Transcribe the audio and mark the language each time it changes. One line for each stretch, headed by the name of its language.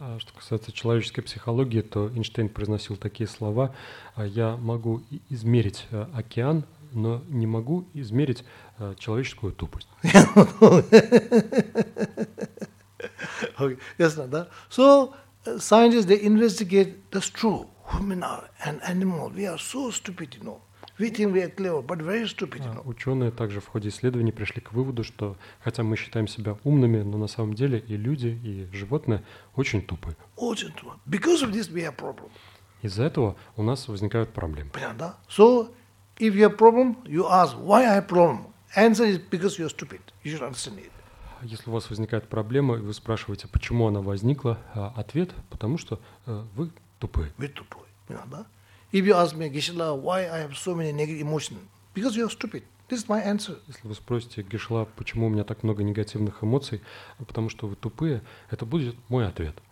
Russian: Что касается человеческой психологии, то Эйнштейн произносил такие слова: «Я могу измерить океан, но не могу измерить человеческую тупость». Ясно, да?
English: So, scientists, they investigate, that's true, human are an animal, we are so stupid, you know. We think we are clever, but very stupid, you know.
Russian: Ученые также в ходе исследований пришли к выводу, что хотя мы считаем себя умными, но на самом деле и люди, и животные очень тупы. Очень тупы.
English: Because of this we have problem.
Russian: Из-за этого у нас возникают проблемы. Понятно, да?
English: So, if you have problem, you ask, why I have problem? Answer is because you are stupid. You should understand it.
Russian: Если у вас возникает проблема, и вы спрашиваете, почему она возникла, ответ, потому что вы тупы. Вы тупы. Понятно, да?
English: If you ask me, Geshe-la, why I have so many negative emotions? Because you are stupid. This is my answer.
Russian: Если вы спросите, Geshe-la, почему у меня так много негативных эмоций, потому что вы тупые, это будет мой ответ.